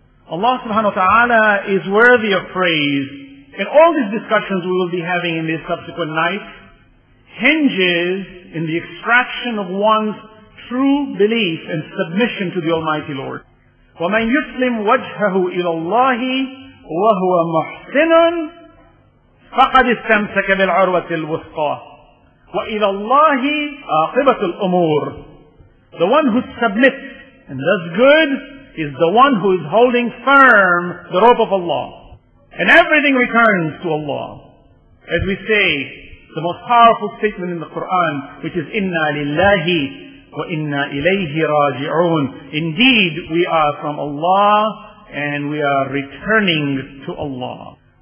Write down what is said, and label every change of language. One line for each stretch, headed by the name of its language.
English: Allah subhanahu wa ta'ala is worthy of praise. And all these discussions we will be having in these subsequent nights hinges in the extraction of one's true belief and submission to the Almighty Lord.
Arabic: وَمَنْ يُسْلِمْ وَجْهَهُ إِلَى اللَّهِ وَهُوَ مُحْسِنٌ فَقَدِ اسْتَمْسَكَ بِالْعُرْوَةِ الْوُثْقَى وَإِلَى اللَّهِ عَاقِبَةُ الْأُمُورِ.
English: The one who submits and does good, is the one who is holding firm the rope of Allah. And everything returns to Allah. As we say, the most powerful statement in the Quran, which is,
Arabic: إِنَّا لِلَّهِ وَإِنَّا إِلَيْهِ رَاجِعُونَ.
English: Indeed, we are from Allah, and we are returning to Allah.